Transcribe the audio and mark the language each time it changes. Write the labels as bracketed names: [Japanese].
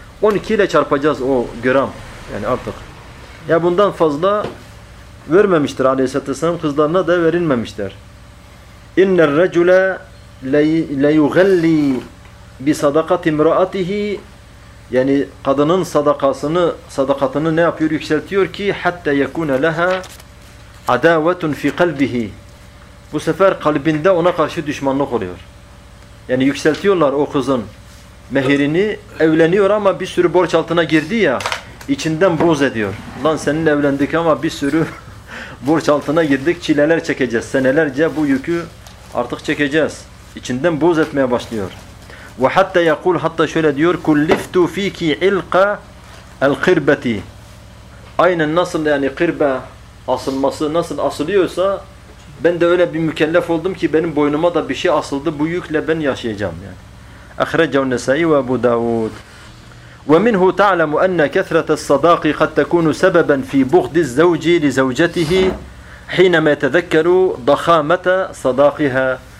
[Turkish] 12 ile çarpacağız o gram, yani artık. Ya bundan fazla vermemiştir aleyhissalatü vesselam, kızlarına da verilmemiştir. [Arabic] اِنَّ الرَّجُلَ لَيُغَلِّي بِصَدَقَةِ اِمْرَأَتِهِ. [Turkish] Yani kadının sadakasını, sadakatını ne yapıyor? Yükseltiyor ki [Arabic] حَتَّى يَكُونَ لَهَا عَدَاوَةٌ فِي قَلْبِهِ. [Turkish] Bu sefer kalbinde ona karşı düşmanlık oluyor. Yani yükseltiyorlar o kızın mehirini, evleniyor ama bir sürü borç altına girdi ya, içinden boz ediyor. Lan seninle evlendik ama bir sürü borç altına girdik, çileler çekeceğiz. Senelerce bu yükü artık çekeceğiz. İçinden boz etmeye başlıyor. [Arabic] وَحَتَّى يَقُولْ, [Turkish] hatta şöyle diyor, [Arabic] كُلِّفْتُ ف۪يكِ عِلْقَ الْقِرْبَةِ. [Turkish] Aynen nasıl, yani kırba asılması nasıl asılıyorsa, ben de öyle bir mükellef oldum ki benim boynuma da bir şey asıldı, bu yükle ben yaşayacağım yani. [Arabic] اَخْرَجَوْ النَّسَائِي وَأَبُوْ دَاوُودِ. وَمِنْهُ تَعْلَمُ أَنَّ كَثْرَةَ الصَّدَاقِ قَدْ تَكُونُ سَبَبًا فِي بُغْدِ الزَّوْجِ لِزَوْجَتِهِ حِينَمَا يَتَذَكَّرُ ضَخَامَةَ صَدَاقِهَا.